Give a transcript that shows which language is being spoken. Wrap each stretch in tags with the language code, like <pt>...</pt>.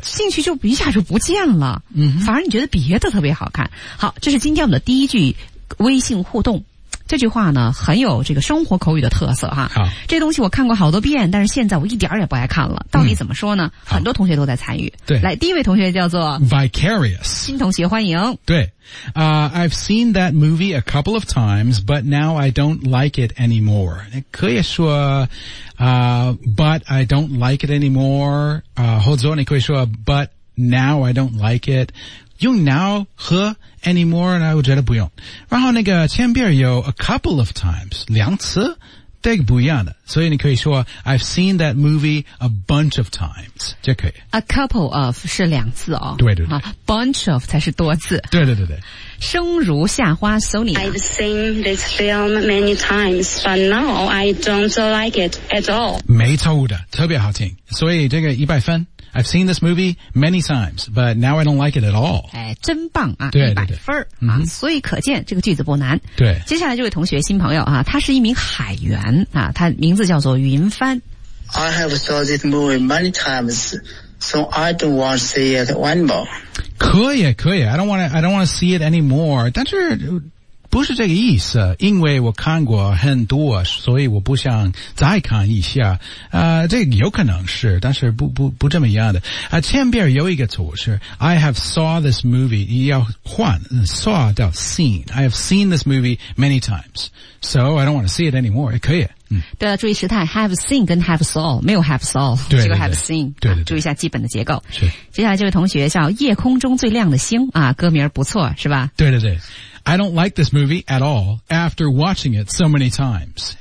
<zh>兴趣就一下就不见了。反而你觉得别的特别好看。好，这是今天我们的第一句微信互动。这句话呢很有这个生活口语的特色哈。好，这东西我看过好多遍，但是现在我一点儿也不爱看了，到底怎么说呢？很多同学都在参与。对，来，第一位同学叫做</zh> <en>Vicarious</en> <zh>新同学，欢迎。对、</zh> <en>I've seen that movie a couple of times but now I don't like it anymore.</en> <zh>可以说、</zh> <en>but I don't like it anymore、hold on，</en> <zh>你可以说</zh> <en>but now I don't like it。</en> <zh>用 now 和 anymore 呢，我觉得不用。然后那个前边有</zh> <en>a couple of times，</en> <zh>两次，这个不一样的。所以你可以说</zh> <en>I've seen that movie a bunch of times，</en> <zh>这可以。</zh> <en>a couple of</en> <zh>是两次哦。对对对。啊、</zh> <en>bunch of</en> <zh>才是多次。对对对对。生如夏花 ，Sony。</zh> <en>I've seen this film many times， but now I don't like it at all。</en> <zh>没错的，特别好听。所以这个100分。</zh> <en>I've seen this movie many times, but now I don't like it at all.</en> <zh>哎，真棒啊！对， 100分啊、嗯！所以可见这个句子不难。对，接下来这位同学新朋友啊，他是一名海员啊，他名字叫做云帆。</zh> <en>I have saw this movie many times, so I don't want to see it anymore.</en> <zh>可以，可以。</zh> <en>I don't want to see it anymore.</en> <zh>但是不是这个意思，因为我看过很多，所以我不想再看一下。这个、有可能是，但是不这么样的。前边有一个词是</zh> <en>I have saw this movie，</en> <zh>要换 saw 叫 seen。</zh> <en>I have seen this movie many times， so I don't want to see it anymore。</en> <zh>可以。对，注意时态 ，</zh> <en>have seen</en> <zh>跟</zh> <en>have saw</en> <zh>没有 have saw，对对对，这个</zh> <en>have seen，</en> <zh>对对对、注意一下基本的结构。是，接下来这位同学叫夜空中最亮的星啊，歌名不错是吧？对对对。</zh> <en>I don't like this movie at all after watching it so many times.</en>